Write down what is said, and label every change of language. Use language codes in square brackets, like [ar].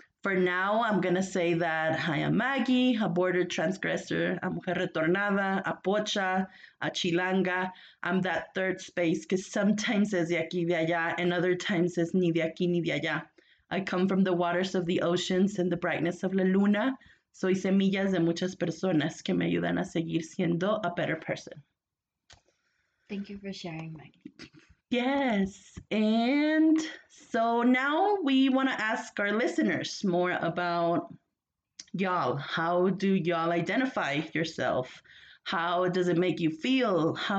[en] For now, I'm going to say that I am Maggie, a border transgressor, a [es] mujer retornada, [en] a pocha, a chilanga. I'm that third space because sometimes [es] es de aquí de allá [en] and other times [es] es ni de aquí ni de allá. [en] I come from the waters of the oceans and the brightness of [es] la luna. Soy semillas de muchas personas que me ayudan a seguir siendo [en] a better person. Thank you for sharing, Maggie. Yes, and so now we want to ask our listeners more about y'all. How do y'all identify yourself? How does it make you feel?